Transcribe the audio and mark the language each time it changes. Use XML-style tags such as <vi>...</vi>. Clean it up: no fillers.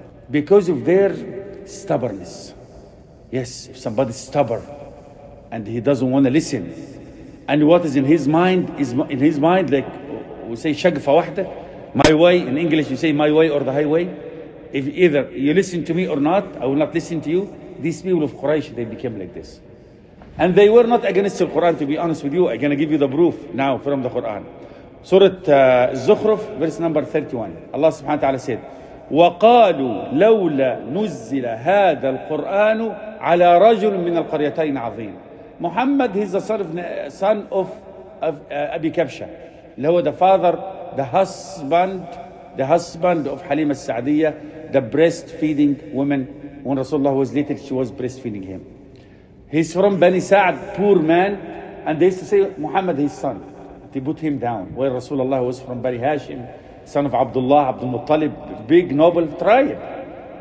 <en>Because of their stubbornness. Yes, if somebody's stubborn and he doesn't want to listen, and what is in his mind is in his mind, like we say shagfa wahda, my way. In English you say my way or the highway. If either you listen to me or not, I will not listen to you. These people of Quraysh, they became like this. And they were not against the Quran, to be honest with you. I'm going to give you the proof now from the Quran. Surah Zukhruf, verse number 31.</en> <ar>Allah subhanahu wa ta'ala said, وقالوا لولا نزل هذا القرآن على رجل من القريتين عظيم.</ar> <en>Muhammad, he's the son of Abi Kabsha. He was the father, the husband of Halima al-Sa'diyya, the breastfeeding woman. When Rasulullah was little, she was breastfeeding him. He's from Bani Sa'd, poor man. And they used to say, Muhammad, his son. They put him down. Where Rasulullah was from Bani Hashim, son of Abdullah, Abdul Muttalib, big noble tribe.</en>